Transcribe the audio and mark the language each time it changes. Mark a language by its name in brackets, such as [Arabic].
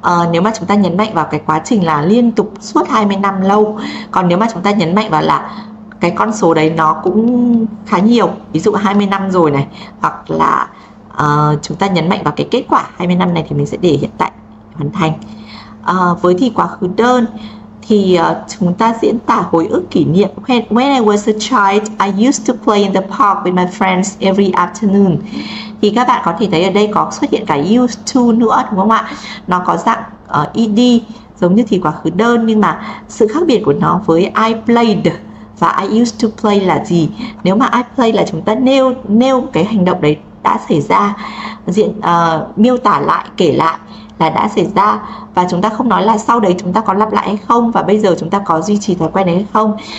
[Vietnamese] Nếu mà chúng ta nhấn mạnh vào cái quá trình là liên tục suốt 20 năm lâu, còn nếu mà chúng ta nhấn mạnh vào là cái con số đấy nó cũng khá nhiều, ví dụ 20 năm rồi này, hoặc là chúng ta nhấn mạnh vào cái kết quả 20 năm này thì mình sẽ để hiện tại hoàn thành. Với thì quá khứ đơn thì chúng ta diễn tả hồi ức kỷ niệm. [English] When I was a child, I used to play in the park with my friends every afternoon. [Vietnamese] Thì các bạn có thể thấy ở đây có xuất hiện cái used to nữa đúng không ạ? Nó có dạng ED giống như thì quá khứ đơn, nhưng mà sự khác biệt của nó với [English] I played [Vietnamese] và [English] I used to play [Vietnamese] là gì? Nếu mà [English] I play [Vietnamese] là chúng ta nêu nêu cái hành động đấy đã xảy ra, miêu tả lại, kể lại là đã xảy ra, và chúng ta không nói là sau đấy chúng ta có lặp lại hay không và bây giờ chúng ta có duy trì thói quen đấy hay không.